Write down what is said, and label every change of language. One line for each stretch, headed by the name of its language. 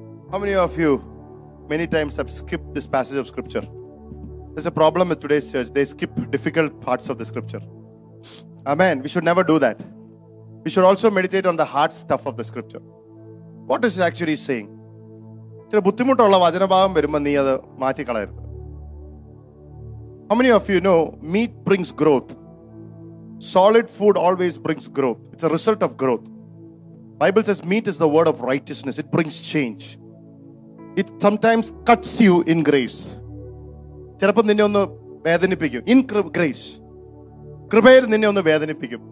English: How many of you many times have skipped this passage of scripture? There's a problem with today's church. They skip difficult parts of the scripture. Amen. We should never do that. We should also meditate on the hard stuff of the scripture. What is it actually saying?
Malayalam: ചില ബുദ്ധിമുട്ടുള്ള വചനഭാഗം വരുമ്പോൾ നീ അത് മാറ്റിക്കളയരുത്.
English: How many of you know meat brings growth? Solid food always brings growth. It's a result of growth. Bible says meat is the word of righteousness. It brings change. It sometimes cuts you in grace.
Malayalam: Therappo ninne onnu vedanippikum
English: in grace.
Malayalam: Kribayil ninne onnu vedanippikum.